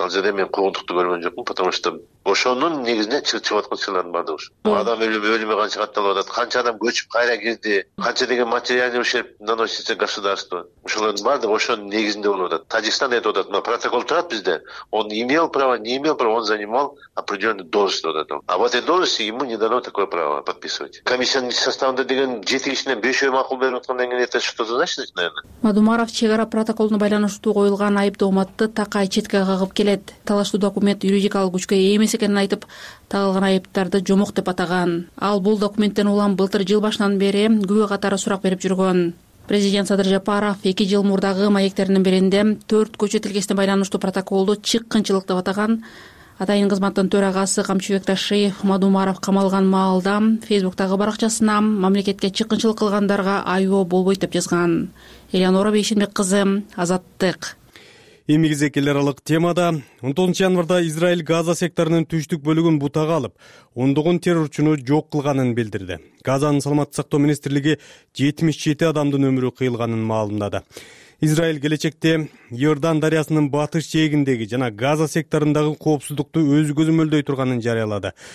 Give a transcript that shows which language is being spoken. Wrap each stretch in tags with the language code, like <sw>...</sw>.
<ky>Ал жерде мен куугунтукту көргөн жокмун, потому что ошонун негизине чыгып аткан чыгардын баардыгы ушу. Адам өлүмө канча катталып атат, канча адам көчүп кайра кирди, канча деген материальный ущерб наносится государству. Ушулардын баардыгы ошонун негизинде болуп атат. Тажикстан айтып атат, мына протокол турат бизде.</ky> <ru>Он имел право, не имел права, он занимал определенную должность вот этого. А в этой должности ему не дано такое право подписывать.</ru> <ky>Комиссиянын составында деген 7 кишинен 5 макул берип аткандан кийин это что-то значит, наверное. Мадумаров чек ара протоколуна байланыштуу коюлган айыптоо матты такай четке кагып келет. Талаштуу документ юридикалык күчкө ээ эмес экенин айтып, тагылган айыптарды жомок деп атаган. Ал бул документтен улам былтыр жыл башынан бери күбө катары сурак берип жүргөн. Президент Садыр Жапаров 2 жыл мурдагы маектеринин биринде 4 көчө тилкесине байланыштуу протоколду чыккынчылык деп атаган. Атайын кызматтын төрагасы Камчыбек Ташиев Мадумаров камалган маалда фейсбуктагы баракчасына мамлекетке чыккынчылык кылгандарга айоо болбойт деп жазган. Элеонора Бейшенбек кызы, Азаттык. Эми кезек эл аралык темада 19 январда Израиль Газа секторунун түштүк бөлүгүн бутага алып, 10 террорчуну жок кылганын билдирди. Газанын саламаттык сактоо министрлиги 77 адамдын өмүрү кыйылганын маалымдады. Израиль келечекте Иордан дарыясынын батыш жээгиндеги жана Газа секторундагы коопсуздукту өз көзөмөлдөй турганын жарыялады.</ky>